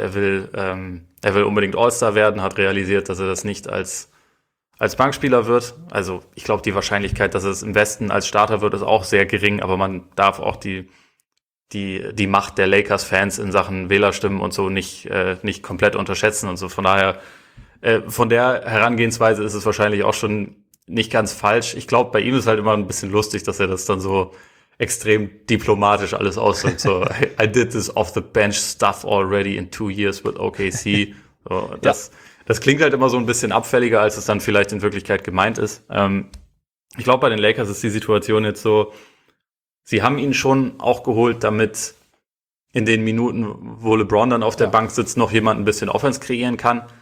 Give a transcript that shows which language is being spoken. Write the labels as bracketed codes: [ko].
[de] Er will unbedingt All-Star werden, hat realisiert, dass er das nicht als Bankspieler wird, also ich glaube, die Wahrscheinlichkeit, dass es im Westen als Starter wird, ist auch sehr gering, aber man darf auch die Macht der Lakers-Fans in Sachen Wählerstimmen und so nicht komplett unterschätzen und so. Von daher, von der Herangehensweise ist es wahrscheinlich auch schon nicht ganz falsch. Ich glaube, bei ihm ist halt immer ein bisschen lustig, dass er das dann so extrem diplomatisch alles ausdrückt. [en] So, I did this off-the-bench stuff already in 2 years with OKC. [de] So, Das klingt halt immer so ein bisschen abfälliger, als es dann vielleicht in Wirklichkeit gemeint ist. Ich glaube, bei den Lakers ist die Situation jetzt so, sie haben ihn schon auch geholt, damit in den Minuten, wo LeBron dann auf der Bank sitzt, noch jemand ein bisschen Offense kreieren kann.